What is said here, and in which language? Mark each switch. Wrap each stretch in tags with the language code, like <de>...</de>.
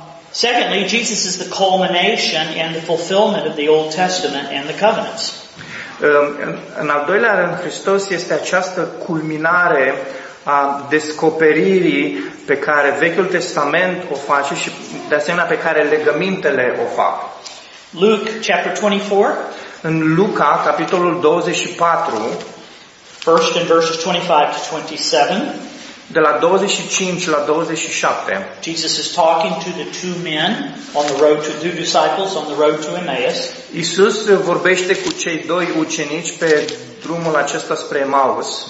<en>Secondly, Jesus is the culmination and the fulfillment of the Old Testament and the covenants.</en> <ro>În al doilea rând, Hristos este această culminare a descoperirii pe care Vechiul Testament o face și de asemenea pe care legămintele o fac.</ro> <en>Luke chapter 24.</en> <ro>În Luca capitolul 24,</ro> <en>first in verses 25 to 27.</en> <ro>De la 25 la 27.</ro> <en>Jesus is talking to the two men on the road to the disciples on the road to Emmaus.</en> <ro>Iisus vorbește cu cei doi ucenici pe drumul acesta spre Emmaus.</ro>